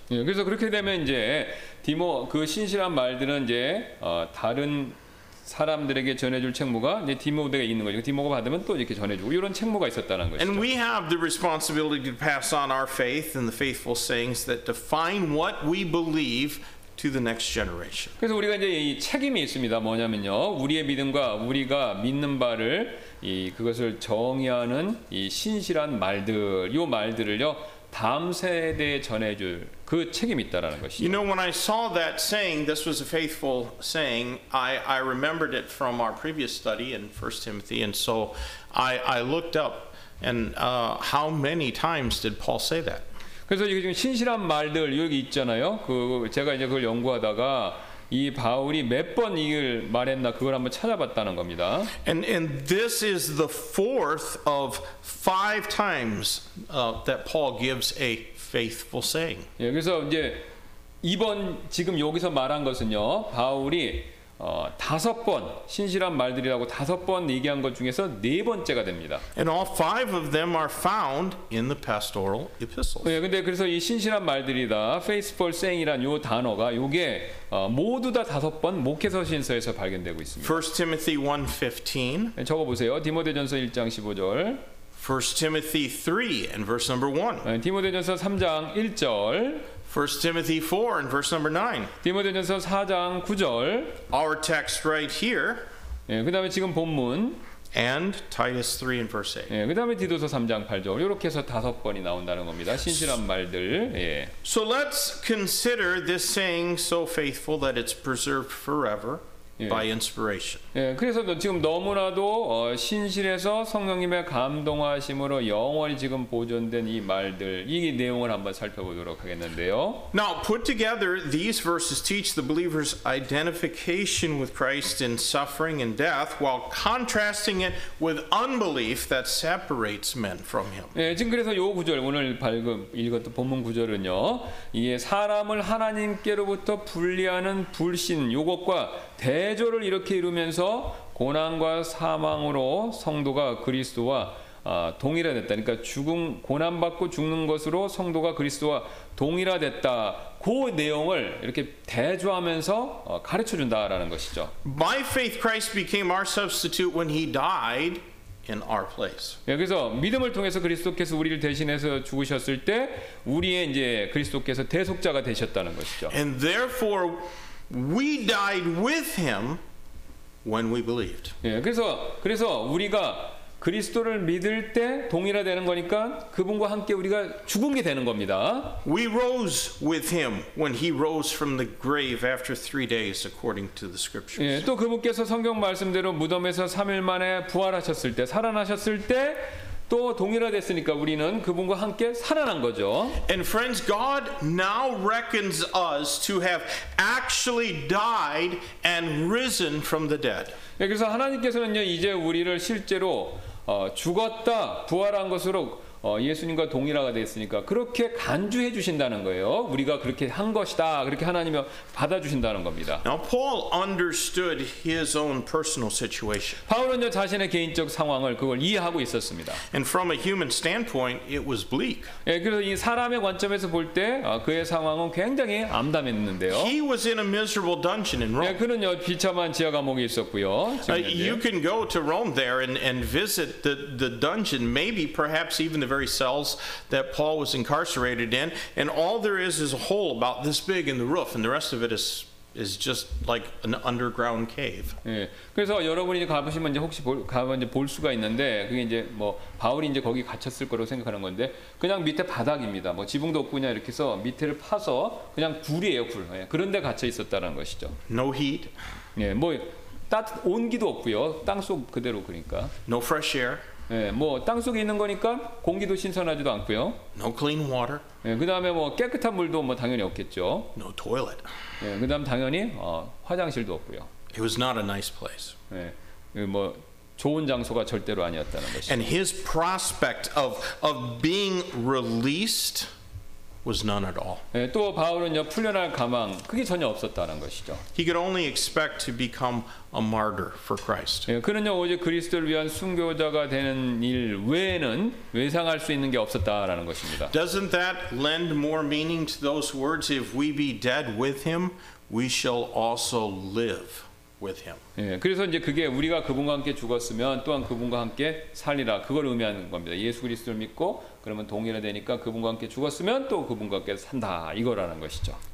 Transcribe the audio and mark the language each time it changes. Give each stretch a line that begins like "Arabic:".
Korean: 예, 그래서 그렇게 되면 이제 디모 그 신실한 말들은 이제 다른 사람들에게 전해줄 책무가 이제 디모데에 있는 거죠. 디모가 받으면 또 이렇게 전해주고 이런 책무가 있었다는 것이죠.
English: And we have the responsibility to pass on our faith and the faithful sayings that define what we believe to the next generation.
Korean: 그래서 우리가 이제 이 책임이 있습니다. 뭐냐면요, 우리의 믿음과 우리가 믿는 바를 이 그것을 정의하는 이 신실한 말들, 요 말들을요 다음 세대에 전해줄 그 책임이 있다라는 것이죠.
English: You know, when I saw that saying, this was a faithful saying. I remembered it from our previous study in 1 Timothy, and so I looked up and how many times did Paul say that?
Korean: 그래서 이게 지금 신실한 말들 여기 있잖아요. 그 제가 이제 그걸 연구하다가 이 바울이 몇 번 이걸 말했나 그걸 한번 찾아봤다는 겁니다.
English: And this is the fourth of five times that Paul gives a faithful saying.
Korean: 예, 그래서 이제 이번 지금 여기서 말한 것은요, 바울이 다섯 번 신실한 말들이라고 다섯 번 얘기한 것 중에서 네 번째가 됩니다.
English: And all five of them are found in the pastoral epistles.
Korean: 예, 근데 그래서 이 신실한 말들이다,
English: faithful saying
Korean: 이란 요 단어가 요게 모두 다 다섯 번 목회 서신서에서 발견되고 있습니다.
English: 1 Timothy 1:15.
Korean: 예, 적어보세요. 디모데전서 1장 15절.
English: 1 Timothy 3 and verse number 1.
Korean: 예, 디모데전서 3장 1절.
English: 1 Timothy 4 and verse number 9.
Korean: 디모데전서 4장 9절.
English: Our text right here.
Korean: 예, 그다음에 지금 본문.
English: And Titus 3 and verse 8.
Korean: 예, 그다음에 디도서 3장 8절. 이렇게 해서 다섯 번이 나온다는 겁니다. 신실한 말들. 예.
English: So let's consider this saying so faithful that it's preserved forever. By inspiration.
Korean: 예, 그래서 지금 너무나도 신실해서 성령님의 감동하심으로 영원히 지금 보존된 이 말들, 이 내용을 한번 살펴보도록 하겠는데요.
English: Now, put together, these verses teach the believer's identification with Christ in suffering and death, while contrasting it with unbelief that separates men from Him.
Korean: 예, 지금 그래서 이 구절 오늘 밝은 읽었던 본문 구절은요, 이게 사람을 하나님께로부터 분리하는 불신, 이것과 대조를 이렇게 이루면서 고난과 사망으로 성도가 그리스도와 동일화됐다. 그러니까 죽음 고난받고 죽는 것으로 성도가 그리스도와 동일화됐다. 그 내용을 이렇게 대조하면서 가르쳐 준다라는 것이죠.
English: By faith Christ became our substitute when he died in our place.
Korean: 여기서 믿음을 통해서 그리스도께서 우리를 대신해서 죽으셨을 때 우리의 이제 그리스도께서 대속자가 되셨다는 것이죠.
English: And therefore we died with him when we believed.
Korean: 예, 그래서 우리가 그리스도를 믿을 때 동일화되는 거니까 그분과 함께 우리가 죽은 게 되는 겁니다.
English: We rose with him when he rose from the grave after 3 days, according to the scriptures.
Korean: 예, 또 그분께서 성경 말씀대로 무덤에서 3일 만에 부활하셨을 때, 살아나셨을 때 또 동일화됐으니까 우리는 그분과 함께 살아난 거죠.
English: And friends, God now reckons us to have actually died and risen from the dead.
Korean: 그래서 하나님께서는요, 이제 우리를 실제로 죽었다, 부활한 것으로 예수님과 동일화가 됐으니까 그렇게 간주해 주신다는 거예요. 우리가 그렇게 한 것이다, 그렇게 하나님이 받아 주신다는 겁니다.
English: Now Paul understood his own personal situation.
Korean: 바울은요 자신의 개인적 상황을 그걸 이해하고 있었습니다.
English: And from a human standpoint, it was bleak.
Korean: 예, 그래서 이 사람의 관점에서 볼 때 그의 상황은 굉장히 암담했는데요.
English: He was in a miserable dungeon in Rome.
Korean: 예, 그는요 비참한 지하 감옥에 있었고요.
English: You can go to Rome there and visit the dungeon. Maybe perhaps even the very cells that Paul was incarcerated in, and all there is a hole about this big in the roof, and the rest of it is just like an underground cave.
Korean: 예, 그래서 여러분이 이제 가보시면 이제 혹시 가면 이제 볼 수가 있는데 그게 이제 뭐 바울이 이제 거기 갇혔을 거라고 생각하는 건데 그냥 밑에 바닥입니다. 뭐 지붕도 없고 그냥 이렇게 해서 밑을 파서 그냥 굴이에요, 굴. 예, 그런데 갇혀 있었다는 것이죠.
English: No heat.
Korean: 예, 뭐 따뜻 온기도 없고요. 땅속 그대로 그러니까.
English: No fresh air.
Korean: 예, 뭐 땅 속에 있는 거니까 공기도 신선하지도 않고요.
English: No clean water.
Korean: 예, 그다음에 뭐 깨끗한 물도 뭐 당연히 없겠죠.
English: No toilet.
Korean: 예, 그다음 당연히 화장실도 없고요.
English: It was not a nice place.
Korean: 예, 뭐 좋은 장소가 절대로 아니었다는 것이.
English: And his prospect of being released was none at all.
Korean: 예, 또 바울은요 풀려날 가망 그게 전혀 없었다는 것이죠.
English: He could only expect to become a martyr for Christ.
Korean: 예, 그는요 오직 그리스도를 위한 순교자가 되는 일 외에는 외상할 수 있는 게 없었다라는 것입니다.
English: Doesn't that lend more meaning to those words? If we be dead with him, we shall also live with him.
Korean: 예, 그래서 이제 그게 우리가 그분과 함께 죽었으면 또한 그분과 함께 살리라 그걸 의미하는 겁니다. 예수 그리스도를 믿고 그러면 동일화되니까 그분과 함께 죽었으면 또 그분과 함께 산다 이거라는 것이죠.